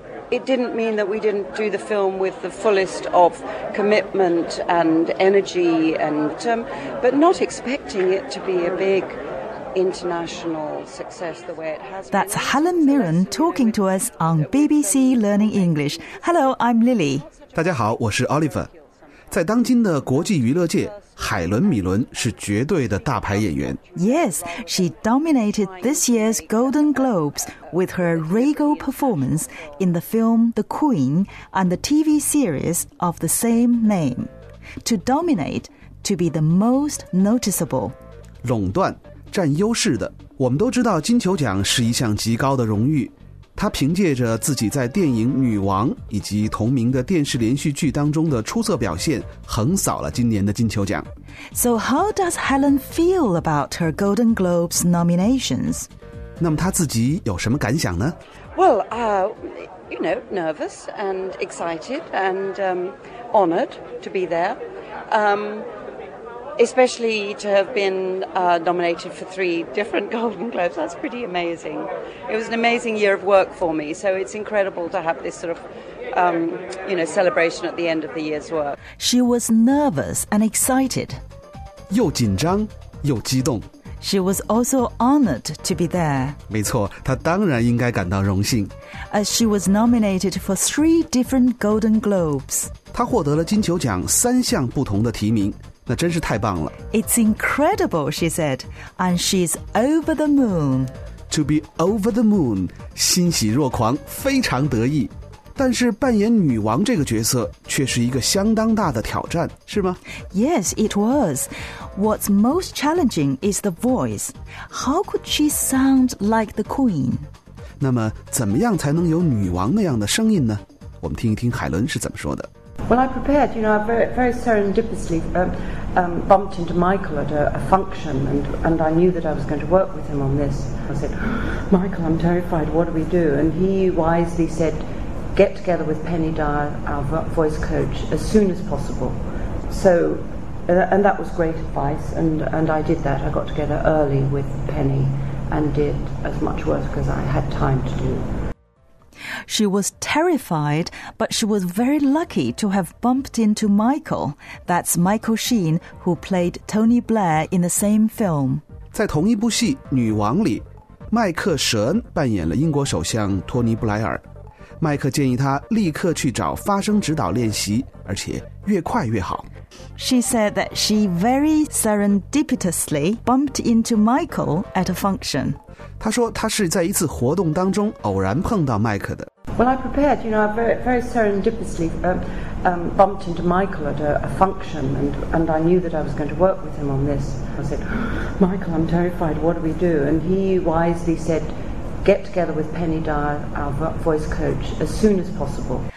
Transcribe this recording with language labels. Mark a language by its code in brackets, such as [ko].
[en] It didn't mean that we didn't do the film with the fullest of commitment and energy, and but not expecting it to be a big. International success the way it has been. That's Helen Mirren talking to us on BBC Learning English. Hello, I'm Lily. [zh] 大家好，我是 Oliver。在当今的国际娱乐界，海伦·米伦是绝对的大牌演员。 [en] Yes, she dominated this year's Golden Globes with her regal performance in the film The Queen and the TV series of the same name. To dominate, to be the most noticeable. [zh] 垄断占优势的，我们都知道金球奖是一项极高的荣誉，她凭借着自己在电影《女王》以及同名的电视连续剧当中的出色表现，横扫了今年的金球奖。 [en] So how does Helen feel about her Golden Globes nominations? [zh] 那么她自己有什么感想呢？ [en] Well, nervous and excited and honored to be there. Especially to have been nominated for 3 different Golden Globes. That's pretty amazing. It was an amazing year of work for me. So it's incredible to have this sort of, celebration at the end of the year's work. She was nervous and excited. [zh] 又紧张又激动。 [en] She was also honored to be there. [zh] 没错，她当然应该感到荣幸。 [en] As she was nominated for 3 different Golden Globes. [zh] 她获得了金球奖3项不同的提名。那真是太棒了。 [en] It's incredible, she said, and she's over the moon. To be over the moon, [zh] 欣喜若狂，非常得意。但是扮演女王这个角色却是一个相当大的挑战，是吗？ [en] Yes, it was. What's most challenging is the voice. How could she sound like the queen? [zh] 那么怎么样才能有女王那样的声音呢？我们听一听海伦是怎么说的。 [en] Well, I prepared, I very, very serendipitously bumped into Michael at a function and I knew that I was going to work with him on this. I said, Michael, I'm terrified, what do we do? And he wisely said, get together with Penny Dyer, our voice coach, as soon as possible. So, and that was great advice and I did that. I got together early with Penny and did as much work as I had time to do. She was terrified, but she was very lucky to have bumped into Michael. That's Michael Sheen, who played Tony Blair in the same film. [zh] 在同一部戏《女王》里，麦克·舍恩扮演了英国首相托尼·布莱尔。麦克建议他立刻去找发声指导练习，而且越快越好。 [en] She said that she very serendipitously bumped into Michael at a function. [zh] 她说她是在一次活动当中偶然碰到麦克的。 [en] Well, I prepared, I very, very serendipitously bumped into Michael at a function and I knew that I was going to work with him on this. I said, Michael, I'm terrified, what do we do? And he wisely said, get together with Penny Dyer, our voice coach, as soon as possible.